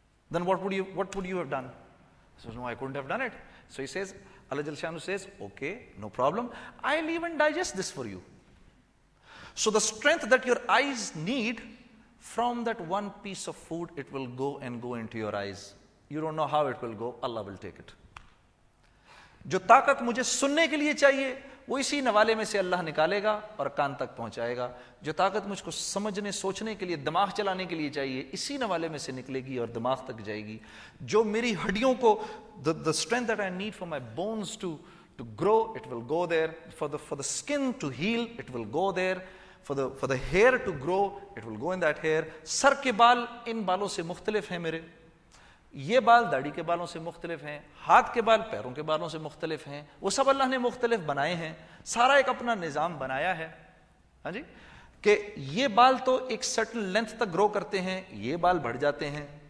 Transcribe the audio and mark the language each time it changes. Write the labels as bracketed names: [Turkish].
[English] Then what would you have done? He says, no, I couldn't have done it. So he says, Allah Jalla Shanu says, okay, no problem. I'll even digest this for you. So the strength that your eyes need, from that one piece of food, it will go and go into your eyes. You don't know how it will go. Allah will take it. [Urdu] جو طاقت مجھے سننے کے لیے چاہیے وہ اسی نوالے میں سے اللہ نکالے گا اور کان تک پہنچائے گا. جو طاقت مجھ کو سمجھنے سوچنے کے لیے دماغ چلانے کے لیے چاہیے اسی نوالے میں سے نکلے گی اور دماغ تک جائے گی. جو میری ہڈیوں کو [English] the strength that I need for my bones to grow, it will go there. For the skin to heal, it will go there. For the hair to grow, it will go in that hair. [Urdu] سر کے بال ان بالوں سے مختلف ہیں میرے, یہ بال داڑھی کے بالوں سے مختلف ہیں, ہاتھ کے بال پیروں کے بالوں سے مختلف ہیں, وہ سب اللہ نے مختلف بنائے ہیں. سارا ایک اپنا نظام بنایا ہے. ہاں جی, کہ یہ بال تو ایک [English] certain length [Urdu] تک گرو کرتے ہیں, یہ بال بڑھ جاتے ہیں.